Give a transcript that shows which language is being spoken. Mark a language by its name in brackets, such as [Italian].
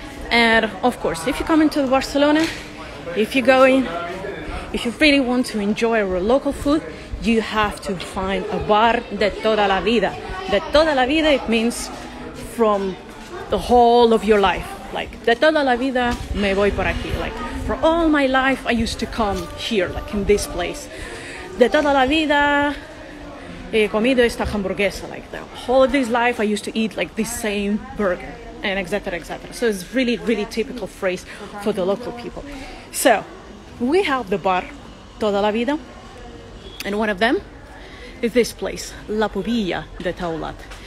[English] And of course, if you come into Barcelona, if you go in, if you really want to enjoy our local food, you have to find a bar [Spanish] de toda la vida. De toda la vida, [English] it means from the whole of your life. Like, [Spanish] de toda la vida me voy por aquí. [English] Like, for all my life, I used to come here, like in this place. [Spanish] De toda la vida he comido esta hamburguesa. [English] Like, the whole of this life, I used to eat like this same burger. And etc. So it's really, really typical phrase for the local people. So we have the bar Toda la Vida, and one of them is this place, La Pubilla de Taulat.